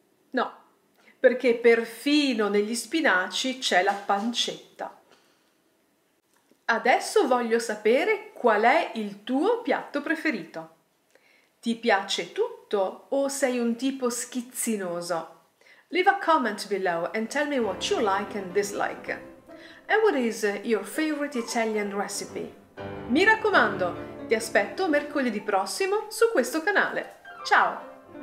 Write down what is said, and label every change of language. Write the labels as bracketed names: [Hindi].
[Italian] No, perché perfino negli spinaci c'è la pancetta. Adesso voglio sapere qual è il tuo piatto preferito. Ti piace tutto o sei un tipo schizzinoso? [English] Leave a comment below and tell me what you like and dislike. And what is your favorite Italian recipe? [Italian] Mi raccomando, ti aspetto mercoledì prossimo su questo canale. Ciao!